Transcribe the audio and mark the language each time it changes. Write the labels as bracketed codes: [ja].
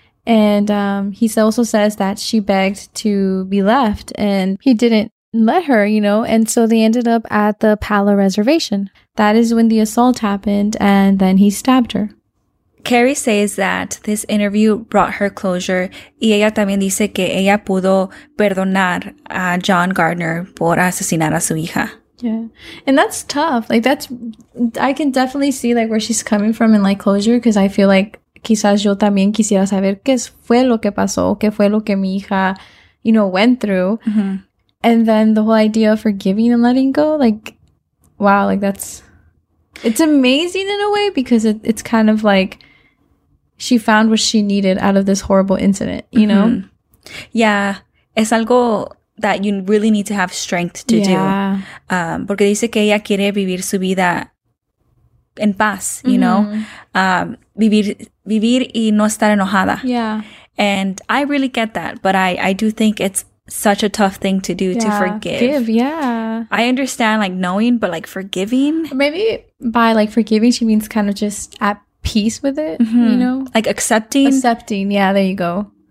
[en] And he also says that she begged to be left and he didn't let her, you know. And so they ended up at the Palo Reservation. That is when the assault happened and then he stabbed her. Carrie says that this interview brought her closure. [es] Y ella también dice que ella pudo perdonar a John Gardner por asesinar a su hija. [en] Yeah. And that's tough. Like, that's, I can definitely see like where she's coming from in like closure, because I feel like [es] quizás yo también quisiera saber qué fue lo que pasó, qué fue lo que mi hija, [en] you know, went through. And then the whole idea of forgiving and letting go, like, wow, like that's, it's amazing in a way, because it's kind of like she found what she needed out of this horrible incident, you know? Yeah, [es] es algo [en] that you really need to have strength to do. [es] Porque dice que ella quiere vivir su vida en paz, [en] you know? [es] Vivir y no estar enojada. [en] Yeah. And I really get that, but I do think it's such a tough thing to do, to forgive. Yeah. I understand, like, knowing, but, like, forgiving. Maybe by, like, forgiving, she means kind of just at peace with it, you know? Like, accepting. Accepting, yeah, there you go.